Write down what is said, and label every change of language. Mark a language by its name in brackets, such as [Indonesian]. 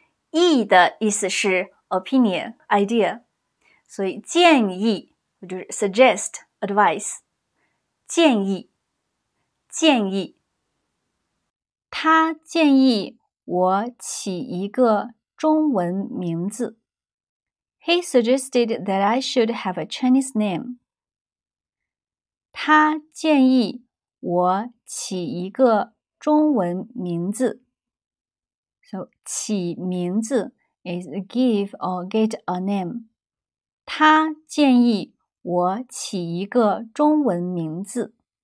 [Chinese] 议的意思是 opinion, idea。所以建议就是 suggest, advice, 建议，建议。他建议我起一个中文名字。 [English] He suggested that I should have a Chinese name. [Chinese] 他建议我起一个中文名字。 [English] So, 起名字 is give or get a name. [Chinese] 他建议我起一个中文名字。